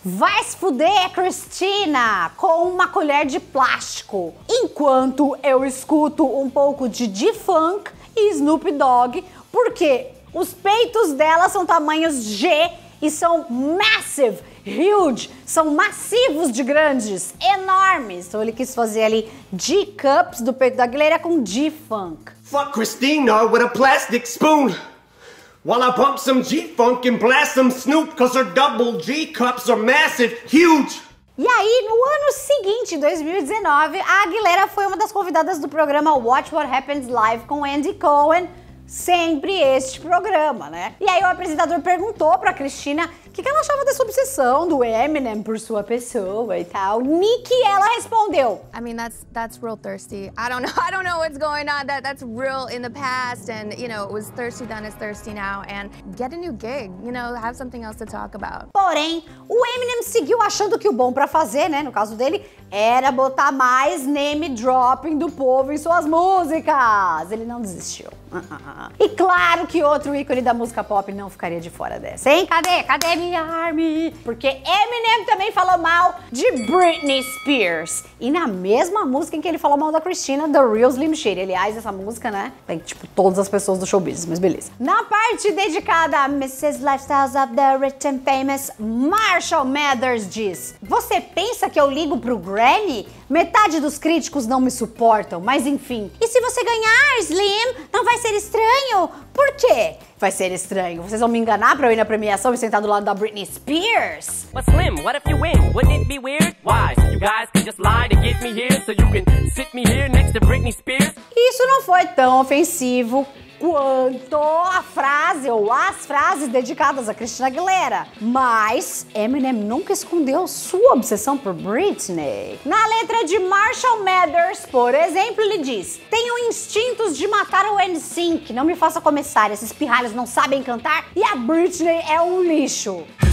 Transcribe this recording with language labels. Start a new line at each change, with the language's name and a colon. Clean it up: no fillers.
Portuguese: Vai se fuder, Christina, com uma colher de plástico, enquanto eu escuto um pouco de D-Funk e Snoop Dogg, porque os peitos dela são tamanhos G e são massive. Huge, são massivos de grandes, enormes. Então ele quis fazer ali G-cups do peito da Aguilera com G-funk.
English: Fuck Christina with a plastic spoon. While I pump some G-funk and blast some Snoop, cause her double G-cups are massive, huge.
Portuguese: E aí, no ano seguinte, 2019, a Aguilera foi uma das convidadas do programa Watch What Happens Live com Andy Cohen. Sempre este programa, né? E aí o apresentador perguntou pra Christina o que ela achava dessa obsessão do Eminem por sua pessoa e tal. Nicki, ela respondeu.
English: I mean, that's real thirsty. I don't know what's going on. That's real in the past. And, you know, it was thirsty then, it's thirsty now. And get a new gig, you know, have something else to talk about.
Portuguese: Porém, o Eminem seguiu achando que o bom pra fazer, né, no caso dele, era botar mais name dropping do povo em suas músicas. Ele não desistiu. E claro que outro ícone da música pop não ficaria de fora dessa, hein? Cadê minha Army? Porque Eminem também falou mal de Britney Spears. E na mesma música em que ele falou mal da Christina, The Real Slim Shady. Aliás, essa música, né? Tem, tipo, todas as pessoas do show business, mas beleza. Na parte dedicada a Mrs. Lifestyles of the Rich and Famous, Marshall Mathers diz: você pensa que eu ligo pro Grammy? Metade dos críticos não me suportam, mas enfim. E se você ganhar, Slim, não vai ser estranho? Por quê? Vai ser estranho. Vocês vão me enganar pra eu ir na premiação e sentar do lado da Britney Spears?
English: But Slim, what if you win? Wouldn't it be weird? Why? So you guys can just lie to get me here so you can sit me here next to Britney Spears?
Portuguese: Isso não foi tão ofensivo quanto a frase ou as frases dedicadas a Christina Aguilera. Mas Eminem nunca escondeu sua obsessão por Britney. Na letra de Marshall Mathers, por exemplo, ele diz: tenho instintos de matar o NSYNC, não me faça começar, esses pirralhos não sabem cantar e a Britney é um lixo.